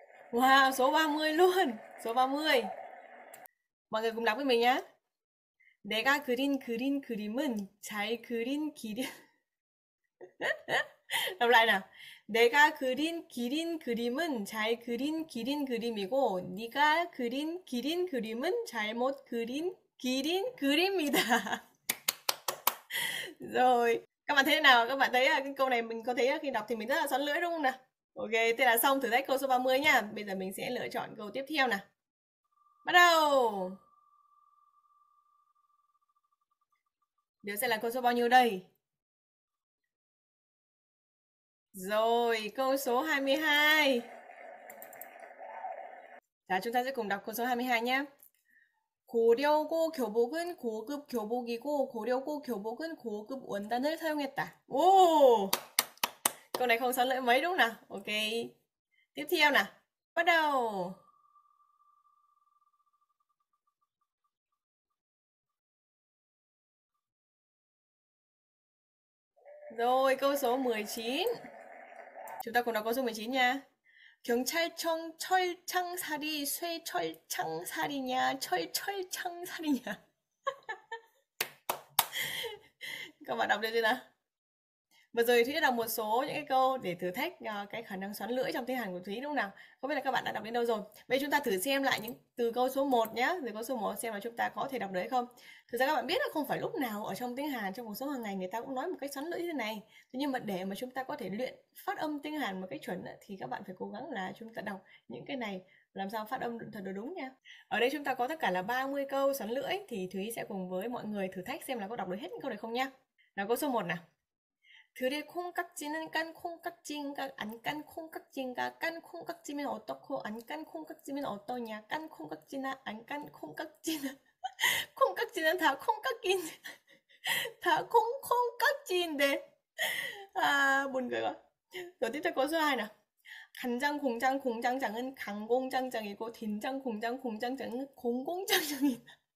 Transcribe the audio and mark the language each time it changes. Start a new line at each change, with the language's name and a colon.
Vietnamese: Wow, số 30 luôn. Số 30. Mọi người cùng đọc với mình nhé.
Korean: 내가 그린 그린 그림은 잘 그린 기린.
Vietnamese: Đọc lại nào.
Korean: 내가 그린 기린 그림은 잘 그린 기린 그림이고 네가 그린 기린 그림은 잘못 그린 기린 그림이다.
Vietnamese: Rồi. Các bạn thấy thế nào? Các bạn thấy cái câu này mình có thấy khi đọc thì mình rất là xoắn lưỡi đúng không nào? Ok, thế là xong thử thách câu số 30 nha. Bây giờ mình sẽ lựa chọn câu tiếp theo nào. Bắt đầu. Điều sẽ là câu số bao nhiêu đây? Rồi, câu số 22. Đó, chúng ta sẽ cùng đọc câu số 22 nhé.
Korean: 고려고 교복은 고급 교복이고 고려고 교복은 고급 원단을 사용했다.
Vietnamese: Ồ. Câu này không xoắn lưỡi mấy đúng không nào? Ok. Tiếp theo nào. Bắt đầu. Rồi, câu số 19. Chúng ta cùng đọc câu số 19 nha.
Korean: 경찰청 철창살이 쇠 철창살이냐 철 철창살이냐.
Vietnamese: Các bạn đọc được chưa nào? Vừa rồi Thúy đã đọc một số những cái câu để thử thách cái khả năng xoắn lưỡi trong tiếng Hàn của Thúy đúng không nào? Không biết là các bạn đã đọc đến đâu rồi. Vậy chúng ta thử xem lại những từ câu số 1 nhé. Từ câu số 1 xem là chúng ta có thể đọc được hay không. Thực ra các bạn biết là không phải lúc nào ở trong tiếng Hàn, trong cuộc sống hàng ngày người ta cũng nói một cách xoắn lưỡi như thế này. Thế nhưng mà để mà chúng ta có thể luyện phát âm tiếng Hàn một cách chuẩn thì các bạn phải cố gắng là chúng ta đọc những cái này làm sao phát âm thật là đúng nha. Ở đây chúng ta có tất cả là 30 câu xoắn lưỡi thì Thúy sẽ cùng với mọi người thử thách xem là có đọc được hết những câu này không nha. Nào câu số 1 nào.
Korean: 들의 콩깍지는 깐 콩깍지인가 안깐 콩깍지인가 깐 콩깍지면 어떻고 안깐 콩깍지면 어떠냐 깐 콩깍지나 안깐 콩깍지나 콩깍지는 다 콩깍지인데 다 콩깍지인데 아 뭔가 이거 어디다 거서 하나 간장 공장 공장장은 강 공장장이고 된장 공장 공장장은 공 공장장이다.